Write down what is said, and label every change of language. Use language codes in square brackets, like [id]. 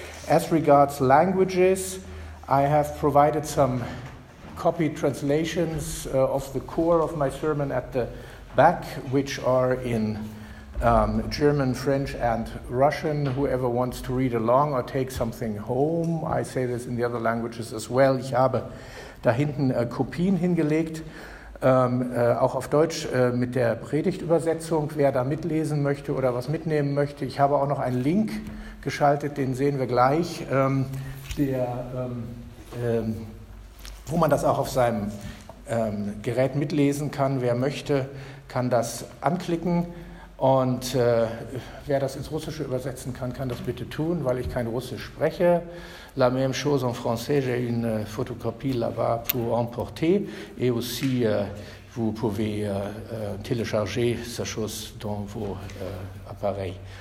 [en] As regards languages, I have provided some copied translations of the core of my sermon at the back, which are in German, French, and Russian. Whoever wants to read along or take something home, I say this in the other languages as well. [de] Ich habe da hinten Kopien hingelegt, auch auf Deutsch mit der Predigtübersetzung, wer da mitlesen möchte oder was mitnehmen möchte. Ich habe auch noch einen Link geschaltet, den sehen wir gleich, wo man das auch auf seinem Gerät mitlesen kann. Wer möchte, kann das anklicken. Und wer das ins Russische übersetzen kann, kann das bitte tun, weil ich kein Russisch spreche. [fr] La même chose en français, j'ai une photocopie là-bas pour emporter. Et aussi, vous pouvez télécharger sa chose dans vos appareils.